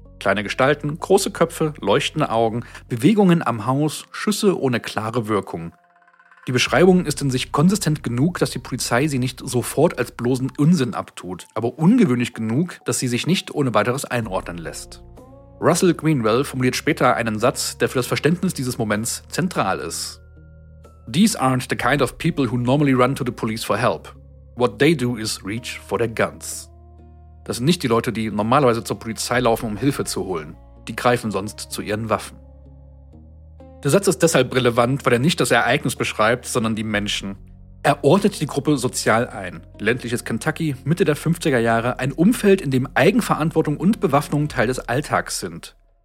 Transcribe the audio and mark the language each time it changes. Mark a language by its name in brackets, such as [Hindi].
[German] Kleine Gestalten, große Köpfe, leuchtende Augen, Bewegungen am Haus, Schüsse ohne klare Wirkung. Die Beschreibung ist in sich konsistent genug, dass die Polizei sie nicht sofort als bloßen Unsinn abtut, aber ungewöhnlich genug, dass sie sich nicht ohne weiteres einordnen lässt. Russell Greenwell formuliert später einen Satz, der für das Verständnis dieses Moments zentral ist. [English] These aren't the kind of people who normally run to the police for help. What they do is reach for their guns. [German] Das sind nicht die Leute, die normalerweise zur Polizei laufen, um Hilfe zu holen. Die greifen sonst zu ihren Waffen. Der Satz ist deshalb relevant, weil er nicht das Ereignis beschreibt, sondern die Menschen. Er ordnet die Gruppe sozial ein. Ländliches Kentucky, Mitte der 50er Jahre, ein Umfeld, in dem Eigenverantwortung und Bewaffnung Teil des Alltags sind.